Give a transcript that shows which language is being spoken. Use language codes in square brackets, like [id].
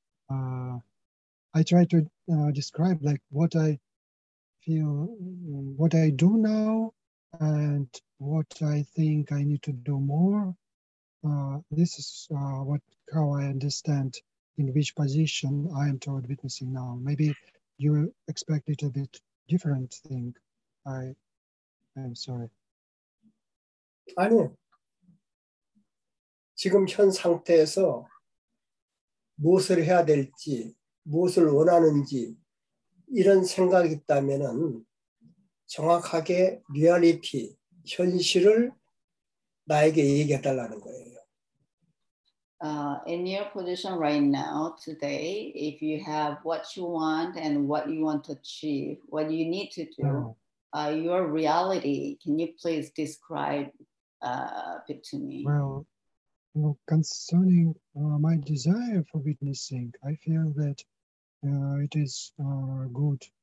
[en] I try to describe like what I feel, what I do now, and what I think I need to do more. This is how I understand in which position I am toward witnessing now. Maybe you expect it a bit different thing. I'm sorry. [ko] 아니, 지금 현 상태에서 무엇을 해야 될지 무엇을 원하는지 이런 생각이 있다면은 정확하게 리얼리티 현실을 나에게 얘기해 달라는 거예요. [en] In your position right now today, if you have what you want and what you want to achieve, what you need to do, your reality, can you please describe a bit to me? Well, you know, concerning my desire for witnessing, I feel that it is good.